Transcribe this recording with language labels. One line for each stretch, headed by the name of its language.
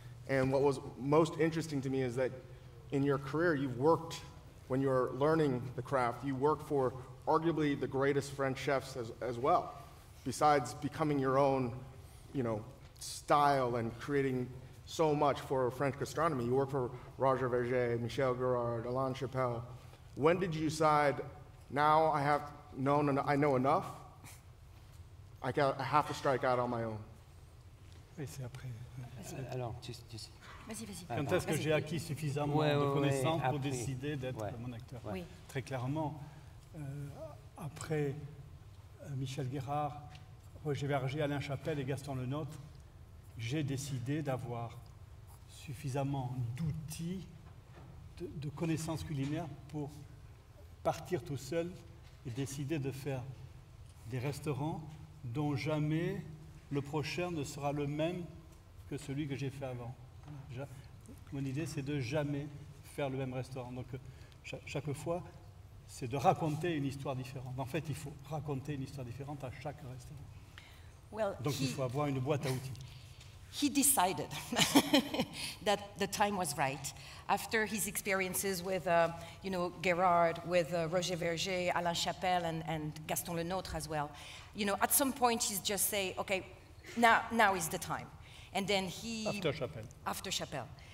English: And what was most interesting to me is that in your career, you've worked, when you're learning the craft, you worked for arguably the greatest French chefs as well, besides becoming your own, you know, style and creating so much for French gastronomy. You work for Roger Verger, Michel Girard, Alain Chappelle. When did you decide, now I have known and I know enough, I got I have to strike out on my own?
French: Quand est-ce que j'ai acquis suffisamment de connaissances pour décider d'être mon acteur? Oui. Très clairement, après Michel Guérard, Roger Verger, Alain Chappelle et Gaston Lenôtre, j'ai décidé d'avoir suffisamment d'outils, de connaissances culinaires pour partir tout seul et décider de faire des restaurants dont jamais le prochain ne sera le même que celui que j'ai fait avant. Mon idée, c'est de jamais faire le même restaurant. Donc, chaque fois, c'est de raconter une histoire différente. En fait, il faut raconter une histoire différente à chaque restaurant.
English: Well,
French: donc, il faut avoir une boîte à outils.
English: He decided that the time was right. After his experiences with, you know, Gérard, with Roger Verger, Alain Chappelle, and Gaston Lenôtre as well, you know, at some point he just say, okay, now is the time. And then he... After Chappelle.